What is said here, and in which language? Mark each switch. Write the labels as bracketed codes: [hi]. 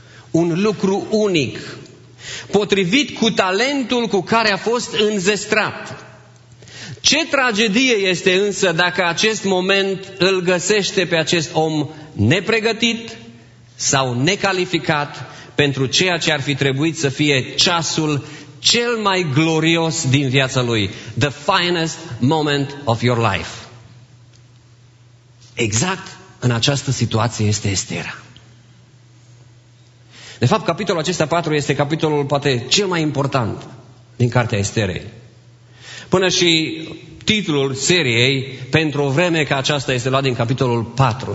[ro] Un lucru unic. Potrivit cu talentul cu care a fost înzestrat. Ce tragedie este însă dacă acest moment îl găsește pe acest om nepregătit sau necalificat pentru ceea ce ar fi trebuit să fie ceasul cel mai glorios din viața lui. [en] The finest moment of your life. [ro] Exact în această situație este Estera. De fapt, capitolul acesta 4 este capitolul poate cel mai important din cartea Esterei. Până și titlul seriei, pentru o vreme ca aceasta, este luat din capitolul 4.